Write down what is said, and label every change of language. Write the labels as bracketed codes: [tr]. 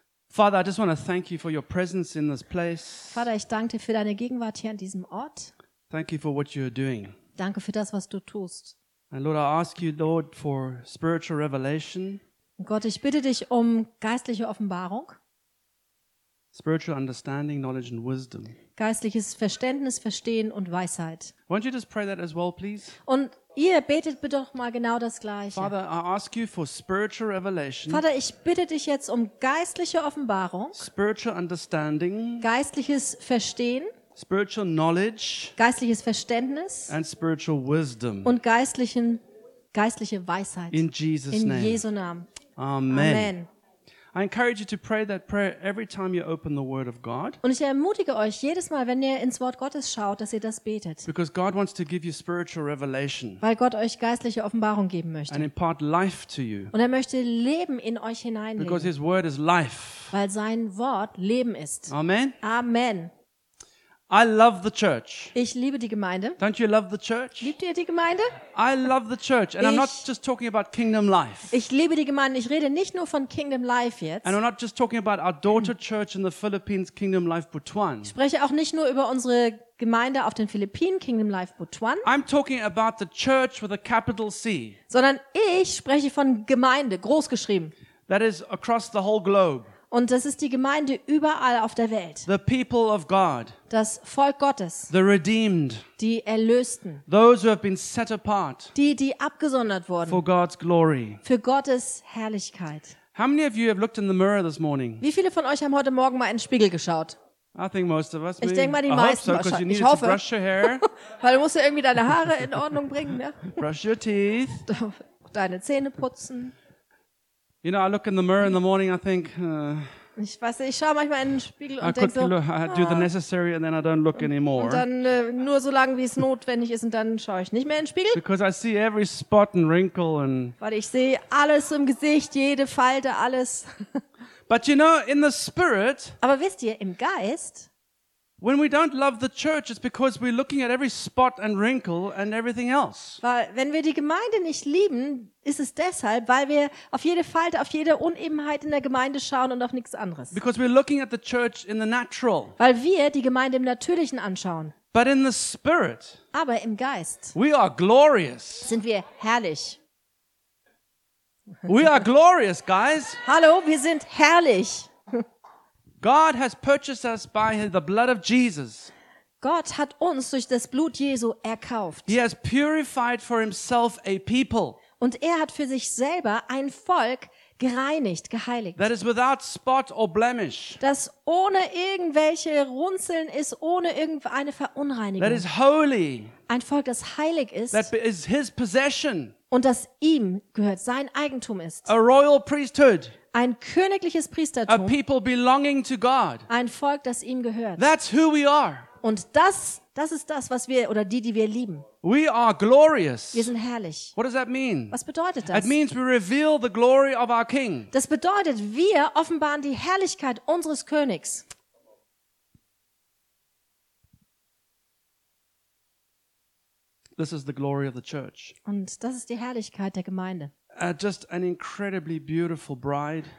[en] Father, I just want to thank you for your presence in this place. [de] Vater, ich danke dir für deine Gegenwart hier an diesem Ort. [en] Thank you for what you're doing. [de] Danke für das, was du tust. [en] And Lord, I ask you, Lord, for spiritual revelation. [de] Gott, ich bitte dich um geistliche Offenbarung. [en] Spiritual understanding, knowledge and wisdom. [de] Geistliches Verständnis, Verstehen und Weisheit. [en] Won't you just pray that as well, please? [de] Und ihr betet bitte doch mal genau das Gleiche. [en] Father, I ask you for spiritual revelation. [de] Vater, ich bitte dich jetzt um geistliche Offenbarung. [en] Spiritual understanding. [de] Geistliches Verstehen. [en] Spiritual knowledge. [de] Geistliches Verständnis. [en] And spiritual wisdom. [de] Und geistliche Weisheit. [en] In Jesus' [de] name. In Jesu Namen. Amen. Amen. [en] I encourage you to pray that prayer every time you open the Word of God. [de] Und ich ermutige euch jedes Mal, wenn ihr ins Wort Gottes schaut, dass ihr das betet. [en] Because God wants to give you spiritual revelation. [de] Weil Gott euch geistliche Offenbarung geben möchte. [en] And impart life to you. [de] Und er möchte Leben in euch hineinlegen. [en] Because His Word is life. [de] Weil sein Wort Leben ist. Amen. Amen. [en] I love the church. [de] Ich liebe die Gemeinde. [en] Don't you love the church? [de] Liebt ihr die Gemeinde? [en] I love the church and I'm not just talking about Kingdom Life. [de] Ich liebe die Gemeinde. Ich rede nicht nur von Kingdom Life jetzt. [en] And I'm not just talking about our daughter church in the Philippines, Kingdom Life Butuan. [de] Ich spreche auch nicht nur über unsere Gemeinde auf den Philippinen, Kingdom Life Butuan. [en] I'm talking about the church with a capital C. [de] Sondern ich spreche von Gemeinde, groß geschrieben. [en] That is across the whole globe. [de] Und das ist die Gemeinde überall auf der Welt. [en] The people of God. [de] Das Volk Gottes. [en] The redeemed. [de] Die Erlösten. [en] Those who have been set apart. [de] Die abgesondert wurden. [en] For God's glory. [de] Für Gottes Herrlichkeit. [en] How many of you have looked in the mirror this morning? [de] Wie viele von euch haben heute Morgen mal in den Spiegel geschaut? [en] I think most of us. [de] Ich denke mal die meisten. Ich hoffe. [en] To brush your hair. [de] Weil du musst ja irgendwie deine Haare in Ordnung bringen, ne? [en] Brush your teeth. [de] Deine Zähne putzen. [en] You know, I look in the mirror in the morning. I think. [de] Ich weiß, ich schaue manchmal in den Spiegel und denke so. [en] I do the necessary and then I don't look anymore. [de] Und dann nur so lange, wie es notwendig ist, und dann schaue ich nicht mehr in den Spiegel. [en] Because I see every spot and wrinkle and. [de] Weil ich sehe alles im Gesicht, jede Falte, alles. [en] But you know, in the spirit. [de] Aber wisst ihr, im Geist. [en] When we don't love the church, it's because we're looking at every spot and wrinkle and everything else. [de] Weil wenn wir die Gemeinde nicht lieben, ist es deshalb, weil wir auf jede Falte, auf jede Unebenheit in der Gemeinde schauen und auf nichts anderes. [en] Because we're looking at the church in the natural. [de] Weil wir die Gemeinde im Natürlichen anschauen. [en] But in the spirit. [de] Aber im Geist. [en] We are glorious. [de] Sind wir herrlich. [en] We are glorious, guys. [de] Hallo, wir sind herrlich. [en] God has purchased us by the blood of Jesus. [de] Gott hat uns durch das Blut Jesu erkauft. [en] He has purified for himself a people. [de] Und er hat für sich selber ein Volk gereinigt, geheiligt. [en] That is without spot or blemish. [de] Das ohne irgendwelche Runzeln ist, ohne irgendeine Verunreinigung. [en] That is holy. [de] Ein Volk, das heilig ist. [en] That is his possession. [de] Und das ihm gehört, sein Eigentum ist. [en] A royal priesthood. [de] Ein königliches Priestertum. [en] A people belonging to God. [de] Ein Volk, das ihm gehört. [en] That's who we are. [de] Und das ist das, was wir oder die wir lieben. [en] We are glorious. [de] Wir sind herrlich. [en] What does that mean? [de] Was bedeutet das? [en] It means we reveal the glory of our King. [de] Das bedeutet, wir offenbaren die Herrlichkeit unseres Königs. [en] This is the glory of the church. [de] Und das ist die Herrlichkeit der Gemeinde. [en] Just an incredibly beautiful bride.